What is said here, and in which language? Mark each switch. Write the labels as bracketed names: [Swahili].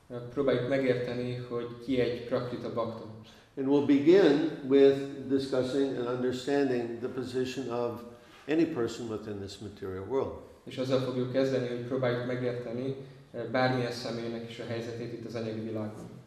[Hungarian] Próbáljuk megérteni, hogy ki egy Prakrita bakta. [English] And we'll begin with discussing and understanding the position of any person within this material world. [Hungarian] És azzal fogjuk kezdeni, hogy próbáljuk megérteni bármilyen személynek is a helyzetét itt az anyagi világban.